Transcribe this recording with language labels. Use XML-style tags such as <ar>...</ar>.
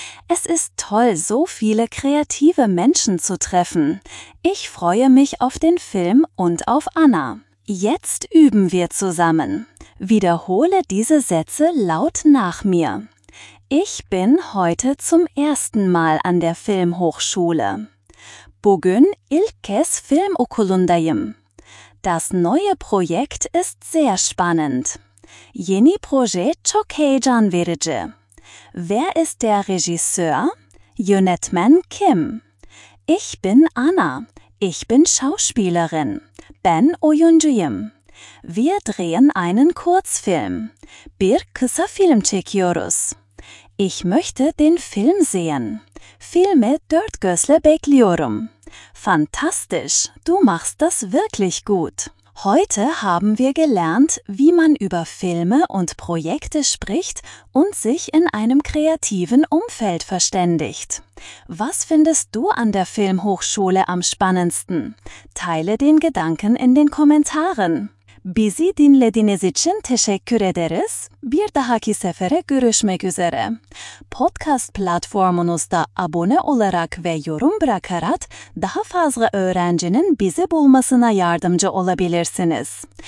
<de>Es ist toll, so viele kreative Menschen zu treffen. Ich freue mich auf den Film und auf Anna. Jetzt üben wir zusammen. Wiederhole diese Sätze laut nach mir. Ich bin heute zum ersten Mal an der Filmhochschule.</de> <tr>Bugün ilk kez film okulundayım.</tr> <de>Das neue Projekt ist sehr spannend.</de> <tr>Yeni proje çok heyecan verici.</tr> <de>Wer ist der Regisseur?</de> <tr>Yönetmen kim?</tr> <de>Ich bin Anna. Ich bin Schauspielerin.</de> <tr>Ben oyuncuyum.</tr> <de>Wir drehen einen Kurzfilm.</de> <tr>Bir kısa film çekiyoruz.</tr> <de>Ich möchte den Film sehen.</de> <tr>Filme dört gözle bekliyorum.</tr> <de>Fantastisch, du machst das wirklich gut. Heute haben wir gelernt, wie man über Filme und Projekte spricht und sich in einem kreativen Umfeld verständigt. Was findest du an der Filmhochschule am spannendsten? Teile den Gedanken in den Kommentaren.</de> <tr>Bizi dinlediğiniz için teşekkür ederiz. Bir dahaki sefere görüşmek üzere. Podcast platformunuzda abone olarak ve yorum bırakarak daha fazla öğrencinin bizi bulmasına yardımcı olabilirsiniz.</tr>